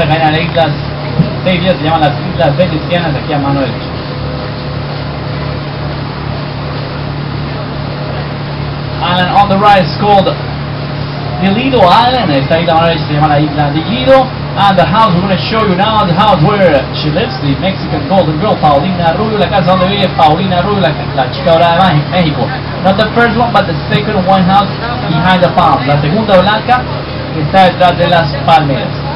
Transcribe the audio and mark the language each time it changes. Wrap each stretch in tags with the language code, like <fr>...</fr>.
<es>Acá en las islas, se llaman las islas venecianas, aquí a mano derecha.</es> <en>Island on the right is called the Lido Island.</en> <es>Esta isla se llama la isla de Lido.</es> <en>And the house we're going to show you now, the house where she lives, the Mexican golden girl, Paulina Rubio.</en> <es>La casa donde vive Paulina Rubio, la chica dorada de México.</es> <en>Not the first one, but the second one house behind the palm.</en> <es>La segunda blanca que está detrás de las palmeras.</es>